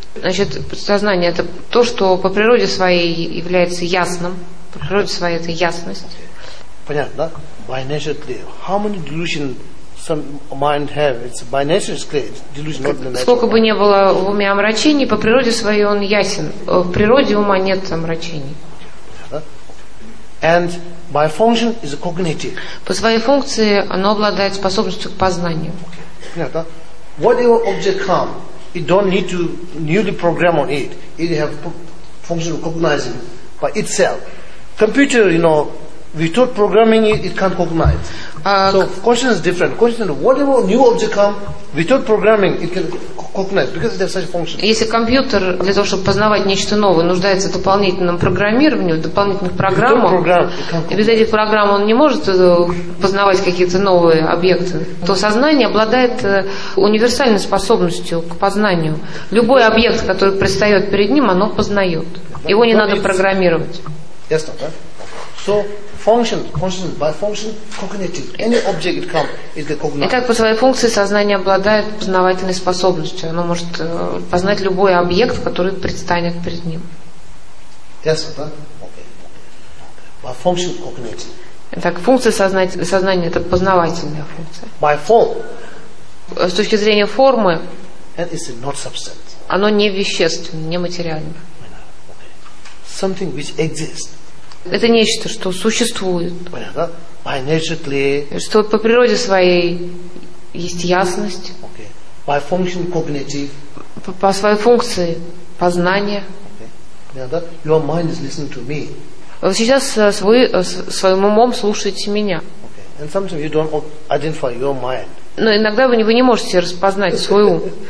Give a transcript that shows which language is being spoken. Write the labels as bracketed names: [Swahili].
[Russian] Значит, сознание это то, что по природе своей является ясным. По природе своей это ясность. [English] Okay. [Russian] Понятно, да? [English] By nature clear. How many delusions some mind have? It's by nature it's clear. It's delusion, not the nature. [Russian] Сколько бы не было в уме омрачений, по природе своей он ясен. В природе ума нет омрачений. [English] And by function is cognitive. [Russian] По своей функции оно обладает способностью к познанию. [English] Whatever object come, it don't need to newly program on it. It have function recognizing by itself. Computer, you know, without programming it can't cognize. So consciousness is different. Consciousness, whatever new object comes, without programming it can cognize because it has such a function. [Russian] Если компьютер для того, чтобы познавать нечто новое, нуждается в дополнительном программировании, в дополнительных программах, без этих программ он не может познавать какие-то новые объекты, то сознание обладает универсальной способностью к познанию. Любой объект, который предстает перед ним, оно познает. Его не надо программировать. [English] Yes, sir. So consciousness by function cognitive. Any object it comes, it can cognize. [Russian] Итак, по своей функции сознание обладает познавательной способностью. Оно может познать любой объект, который предстанет перед ним. [English] Yes, sir. Okay. By function cognitive. [Russian] Итак, функция сознания это познавательная функция. [English] By form. [Russian] С точки зрения формы. [English] And it's not substance. [Russian] Оно не вещественно, не материально. [English] Something which exists. [Russian] Это нечто, что существует. [English] By nature clear. [Russian] Что по природе своей есть ясность. [English] Okay. By function cognitive. [Russian] По своей функции познания. [English] Okay. Your mind is listening to me. [Russian] Вы сейчас своим умом слушаете меня. [English] Okay. And sometimes you don't identify your mind. [Russian] Но иногда вы не можете распознать свой ум.